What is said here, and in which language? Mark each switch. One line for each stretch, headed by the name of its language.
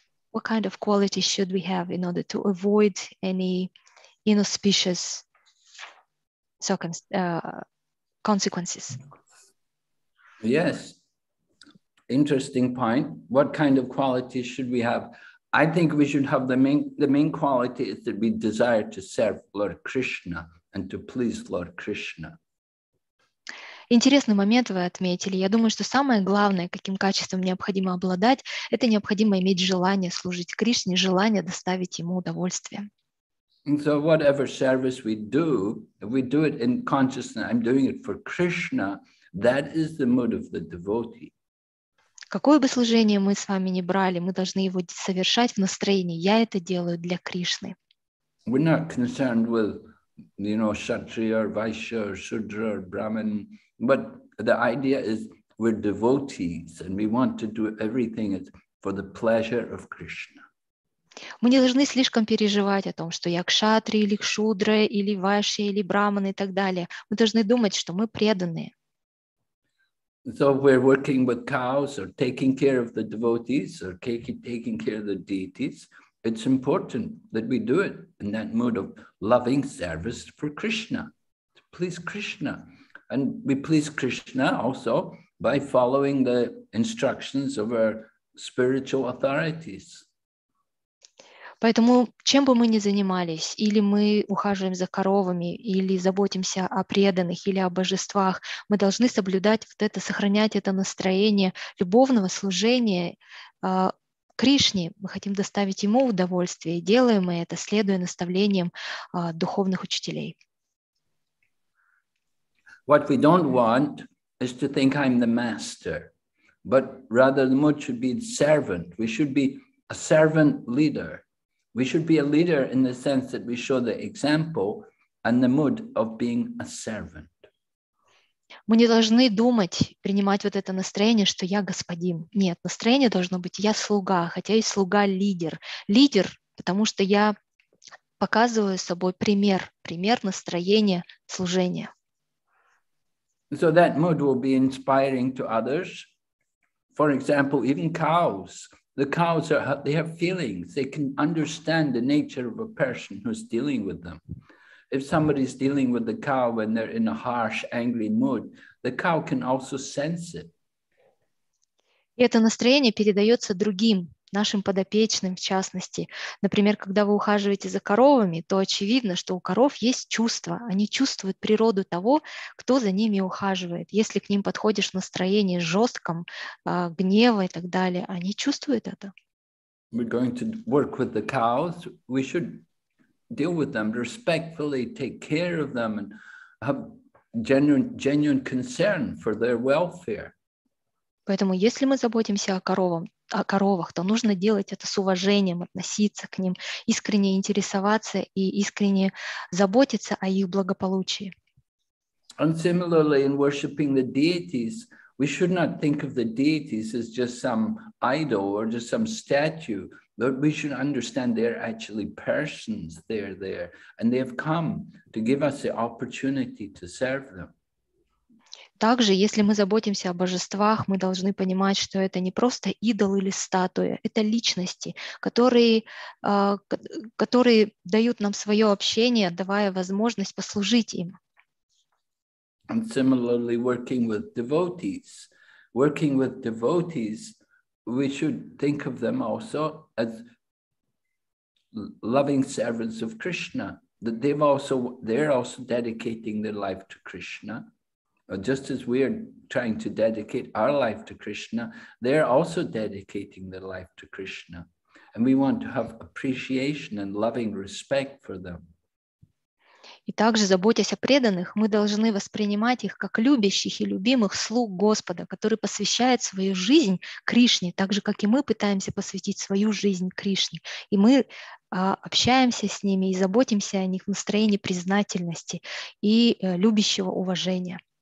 English: What kind of quality should we have in order to avoid any inauspicious consequences? Yes, interesting point. What kind of quality should we have? I think we should have the main quality is that we desire to serve Lord Krishna and to please Lord Krishna.
Russian: Интересный момент вы отметили. Я думаю, что самое главное, каким качеством необходимо обладать, это необходимо иметь желание служить Кришне, желание доставить ему удовольствие.
English: And so whatever service we do it in consciousness, I'm doing it for Krishna, that is the mood of the devotee.
Russian: Какое бы служение мы с вами ни брали, мы должны его совершать в настроении «я это делаю для Кришны».
English: We're not concerned with, you know, kshatriya or vaishya or shudra or brahman, but the idea is we're devotees and we want to do everything for the pleasure of Krishna.
Russian: Мы не должны слишком переживать о том, что я кшатри или кшудра, или вайшья, или брахман и так далее. Мы должны думать, что мы преданные.
English: So we're working with cows or taking care of the devotees or taking care of the deities. It's important that we do it in that mood of loving service for Krishna, to please Krishna. And we please Krishna also by following the instructions of our spiritual authorities.
Russian: Поэтому, чем бы мы ни занимались, или мы ухаживаем за коровами, или заботимся о преданных, или о божествах, мы должны соблюдать вот это, сохранять это настроение любовного служения Кришне. Мы хотим доставить Ему удовольствие, делаем мы это, следуя наставлениям духовных учителей.
English: What we don't want is to think I'm the master, but rather the mood should be the servant. We should be a servant leader. We should be a leader in the sense that we show the example and the mood of being a servant.
Russian: Мы не должны думать, принимать вот это настроение, что я господин. Нет, настроение должно быть, я слуга, хотя и слуга-лидер. Лидер, потому что я показываю собой пример, пример настроения служения.
English: So that mood will be inspiring to others. For example, even cows. The cows they have feelings. They can understand the nature of a person who's dealing with them. If somebody's dealing with the cow when they're in a harsh, angry mood, the cow can also sense it.
Russian: И это настроение передается другим, нашим подопечным в частности. Например, когда вы ухаживаете за коровами, то очевидно, что у коров есть чувства. Они чувствуют природу того, кто за ними ухаживает. Если к ним подходишь в настроении жестком, гнева и так далее, они чувствуют это.
English: We're going to work with the cows. We should deal with them respectfully, take care of them and have genuine concern for their welfare.
Russian: Поэтому, если мы заботимся о коровах, то нужно делать это с уважением, относиться к ним, искренне интересоваться и искренне заботиться о их благополучии.
English: And similarly, in worshiping the deities, we should not think of the deities as just some idol or just some statue, but we should understand they're actually persons, they're there, and they have come to give us the opportunity to serve them.
Russian: Также, если мы заботимся о божествах, мы должны понимать, что это не просто идол или статуя, это личности, которые дают нам свое общение, давая возможность послужить им.
English: And similarly, working with devotees, we should think of them also as loving servants of Krishna, that they're also dedicating their life to Krishna. Just as we are trying to dedicate our life to Krishna, they're also dedicating their life to Krishna. And we want to have appreciation and loving respect for them.
Russian: И также, заботясь о преданных, мы должны воспринимать их как любящих и любимых слуг Господа, который посвящает свою жизнь Кришне, так же, как и мы пытаемся посвятить свою жизнь Кришне. И мы общаемся с ними и заботимся о них в настроении признательности и любящего уважения.